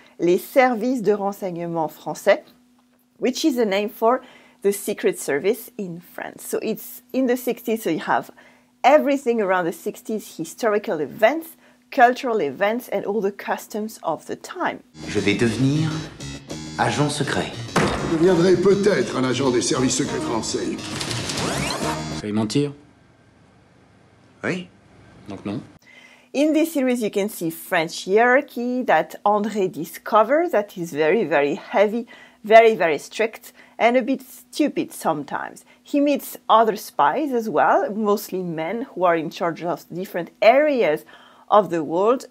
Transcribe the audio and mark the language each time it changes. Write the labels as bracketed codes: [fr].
[fr] Les services de renseignement français, [en] which is a name for the secret service in France. So it's in the 60s, so you have everything around the 60s, historical events, cultural events, and all the customs of the time. [fr] Je vais devenir agent secret. Je deviendrai peut-être un agent des services secrets français. Fais mentir. Oui. Donc non. [en] In this series, you can see French hierarchy that André discovers that is very, very heavy, very, very strict, and a bit stupid sometimes. He meets other spies as well, mostly men who are in charge of different areas of the world.